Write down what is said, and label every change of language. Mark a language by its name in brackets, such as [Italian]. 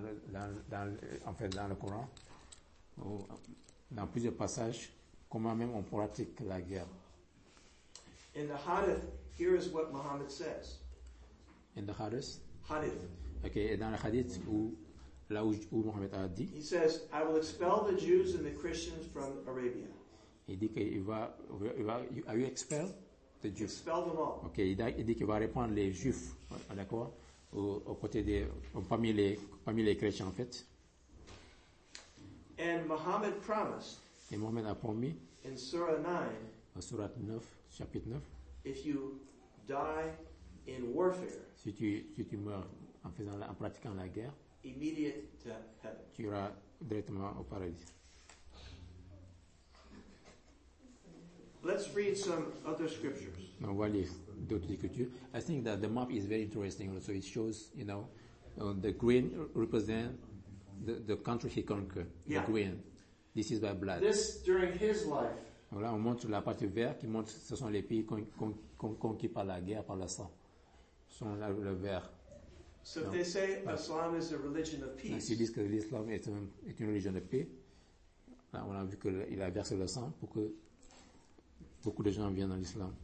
[French] On a vu dans le Coran, dans plusieurs passages, comment même on pratique la guerre. [English] In the Hadith, here is what Muhammad says. In the Hadith. Hadith. [French] Okay, et dans le Hadith où Mohammed a dit. [English] He says, "I will expel the Jews and the Christians from Arabia." [French] Il dit qu'il va. [English] Are you expel the Jews? Expel them all. [French] Okay, il dit qu'il va répandre les Juifs, d'accord, au côté des parmi les chrétiens en fait. [English] And Muhammad promised. [French] Et Mohammed a promis. [English] In Surah 9. [French] Surah 9, chapitre 9. [English] If you die in warfare, [French] si tu meurs en pratiquant la guerre, [English] immediate to heaven, [French] tu iras directement au paradis. [English] Let's read some other scriptures. [French] On va lire d'autres écritures. [English] I think that the map is very interesting. So it shows, you know, the green represent the country he conquered. Yeah. The green. This is by blood. This during his life. [French] Voilà, on montre la partie verte qui montre ce sont les pays conquis par la guerre, par le sang. Sont le vert. [English] So if they say Islam is a religion of peace. [French] Donc, ils disent que l'islam est une religion de paix. Là, on a vu qu'il a versé le sang pour que beaucoup de gens viennent à l'islam.